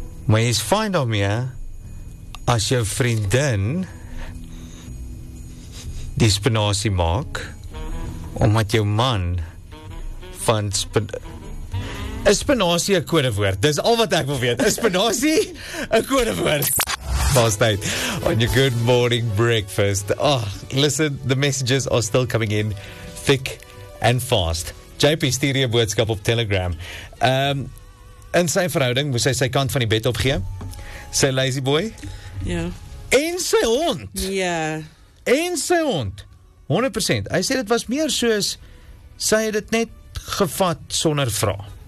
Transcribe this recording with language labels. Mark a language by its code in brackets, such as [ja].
[af] Maar jy is fine daarmee as jou vriendin die spinasie maak, omdat jou man van spinasie... Is spinasie 'n kodewoord? Dis al wat ek wil weet. Is spinasie 'n kodewoord? [en] Tijd on your good morning breakfast. Oh, listen, the messages are still coming in thick and fast. [af] JP stuur jou boodskap op Telegram. In sy verhouding, moes hy sy kant van die bed opgee. Sy lazy boy. Ja. En sy hond. Ja. En sy hond. 100%. Hy sê dit was meer soos, sy het dit net gevat sonder vra.